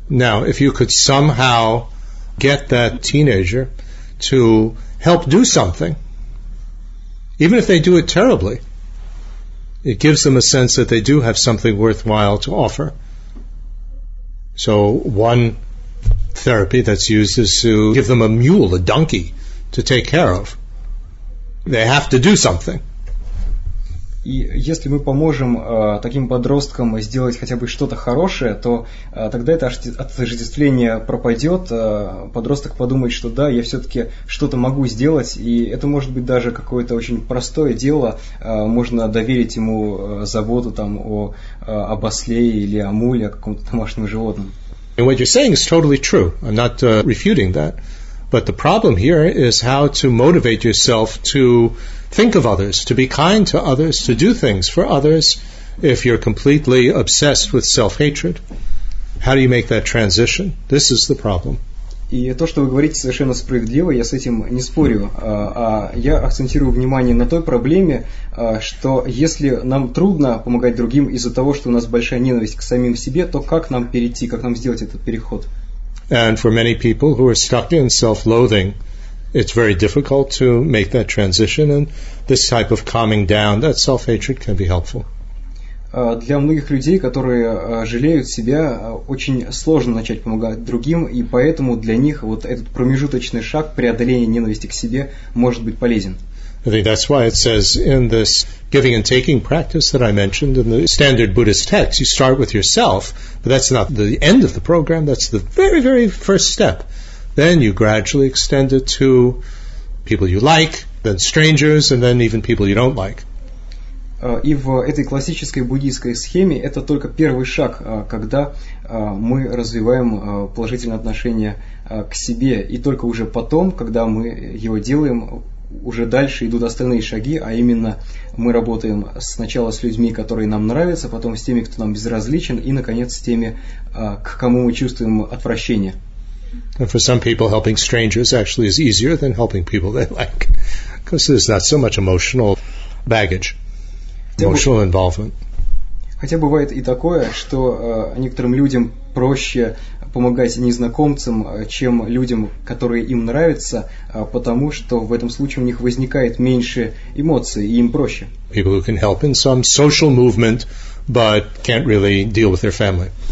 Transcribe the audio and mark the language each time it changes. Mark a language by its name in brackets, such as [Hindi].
[English] Now, if you could somehow get that teenager to help do something, even if they do it terribly, it gives them a sense that they do have something worthwhile to offer. So one therapy that's used is to give them a mule, a donkey, to take care of. They have to do something. [Russian] И если мы поможем таким подросткам сделать хотя бы что-то хорошее, то тогда это отождествление пропадет. Подросток подумает, что да, я все-таки что-то могу сделать, и это может быть даже какое-то очень простое дело. Можно доверить ему заботу там об осле или о муле, о каком-то домашнем животном. [English] And what you're saying is totally true. I'm not refuting that. But the problem here is how to motivate yourself to think of others, to be kind to others, to do things for others, if you're completely obsessed with self-hatred. How do you make that transition? This is the problem. [Russian] И то, что вы говорите, совершенно справедливо, я с этим не спорю. А я акцентирую внимание на той проблеме, что если нам трудно помогать другим из-за того, что у нас большая ненависть к самим себе, то как нам перейти, как нам сделать этот переход? [English] And for many people who are stuck in self-loathing, it's very difficult to make that transition, and this type of calming down, that self-hatred can be helpful. [Russian] Для многих людей, которые жалеют себя, очень сложно начать помогать другим, и поэтому для них вот этот промежуточный шаг преодоления ненависти к себе может быть полезен. [English] I think that's why it says in this giving and taking practice that I mentioned in the standard Buddhist text, you start with yourself, but that's not the end of the program, that's the very, very first step. Then you gradually extend it to people you like, then strangers, and then even people you don't like. [Russian] И в этой классической буддийской схеме это только первый шаг, когда мы развиваем положительное отношение к себе, и только уже потом, когда мы его делаем, уже дальше идут остальные шаги, а именно мы работаем сначала с людьми, которые нам нравятся, потом с теми, кто нам безразличен, и, наконец, с теми, к кому мы чувствуем отвращение. [English] And for some people, helping strangers actually is easier than helping people they like, because there's not so much emotional baggage, emotional involvement. [Russian] Хотя бывает и такое, что некоторым людям проще помогать незнакомцам, чем людям, которые им нравятся, потому что в этом случае у них возникает меньше эмоций, и им проще. [English] People who can help in some social movement, but can't really deal with their family.